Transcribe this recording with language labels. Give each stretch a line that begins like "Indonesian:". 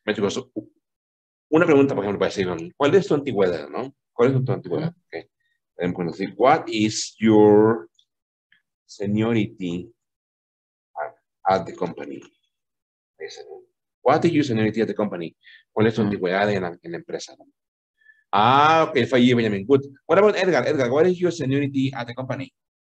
Spanish: So, una pregunta, por ejemplo, para decir, ¿cuál es tu antigüedad, no? ¿Cuál es tu antigüedad? Okay.
English: What is your seniority at the company? What is your seniority at the company?
Spanish: ¿Cuál es tu antigüedad en la empresa?
English: Okay, for you, Benjamin. Good. What about Edgar? Edgar, what is your seniority at the company?